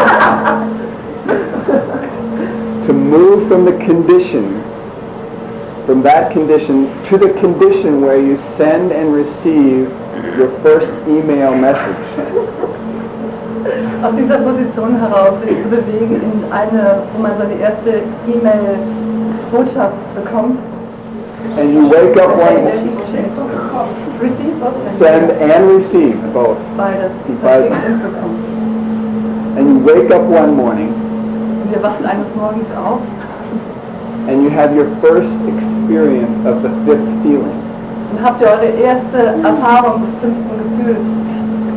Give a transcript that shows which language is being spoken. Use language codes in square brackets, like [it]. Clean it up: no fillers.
[en] To move from the condition, from that condition, to the condition where you send and receive your first email message. [de] Aus dieser Position heraus sich zu bewegen in eine, wo man seine erste E-Mail-Botschaft bekommt. [en] And you wake up one day. Receive what? Send and receive both. [de] Beides. [en] And you wake up one morning. [de] Und wir wachen eines Morgens auf. [en] And you have your first experience of the fifth feeling. [de] Und habt ihr eure erste Erfahrung des fünften Gefühls.